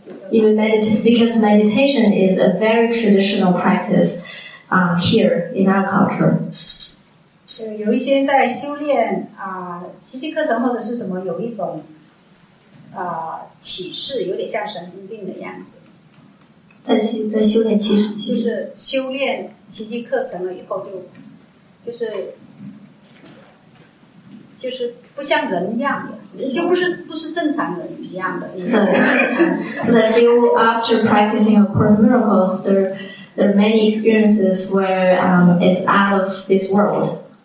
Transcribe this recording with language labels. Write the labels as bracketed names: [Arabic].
[English] Because meditation is a very traditional practice here in our culture. [Chinese] 有一些在修炼奇迹课程或者是什么有一种启示，有点像神经病的样子。在修炼奇迹，就是修炼奇迹课程了以后就，就是不像人一样的，就不是正常人一样的。 [English] So, I feel after practicing A Course in Miracles, there are many experiences where it's out of this world.